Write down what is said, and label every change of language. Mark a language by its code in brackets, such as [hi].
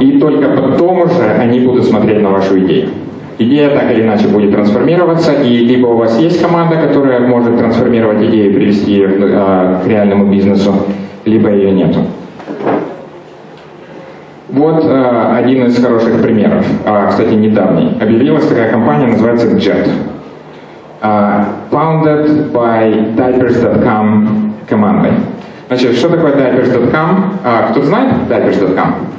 [ru] И только потом уже они будут смотреть на вашу идею. Идея так или иначе будет трансформироваться, и либо у вас есть команда, которая может трансформировать идею и привести ее к реальному бизнесу, либо ее нету. Вот один из хороших примеров, кстати, недавний. Объявилась такая компания, называется Jet. [en] Founded by Diapers.com [ru] командой. Значит, что такое Diapers.com? Кто знает Diapers.com?